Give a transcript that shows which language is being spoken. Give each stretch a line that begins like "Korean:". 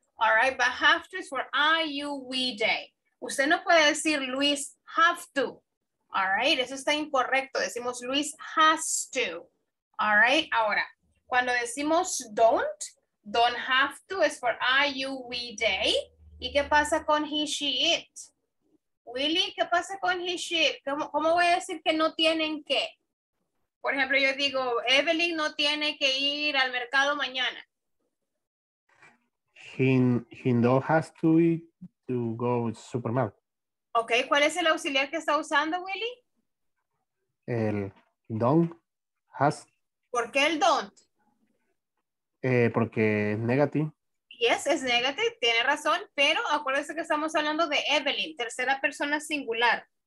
English: All right, but have to is for I, you, we, they.
Spanish: Usted no puede decir
English: Luis have to. All right,
Spanish: eso está incorrecto. Decimos Luis has to.
English: All right,
Spanish: ahora, cuando decimos
English: don't have to is for I, you, we, they.
Spanish: ¿Y qué pasa con he, she, it? Willy, ¿qué pasa con he, she, it? ¿Cómo voy a decir que no tienen que? Por ejemplo, yo digo, Evelyn no tiene que ir al mercado mañana.
English: He no has to go to the supermarket.
Spanish: Okay, ¿cuál es el auxiliar que está usando, Willy? El don't has. ¿Por qué el don't? Porque es negative. Yes, es negative, tiene razón, pero acuérdese que estamos hablando de Evelyn, tercera persona singular.